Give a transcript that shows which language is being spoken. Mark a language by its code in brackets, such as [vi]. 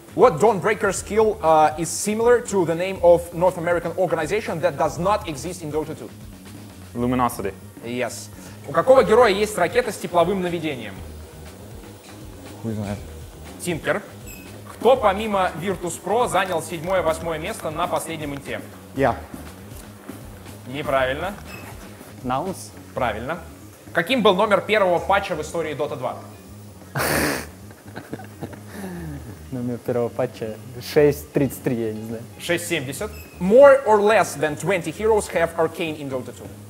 [en] What Dawnbreaker skill is similar to the name of North American organization that does not exist in Dota 2? Luminosity. Yes. [ru] У какого героя есть ракета с тепловым наведением? Хуй знает. Тинкер. Кто помимо Virtus Pro занял 7-8 место на последнем инте? Я. [en] Yeah. [ru] Неправильно. Наус. Правильно. Каким был номер первого патча в истории Dota 2? Номер первого патча 6.33, я не знаю. 6.70. [en] More or less than 20 heroes have arcane in Dota 2?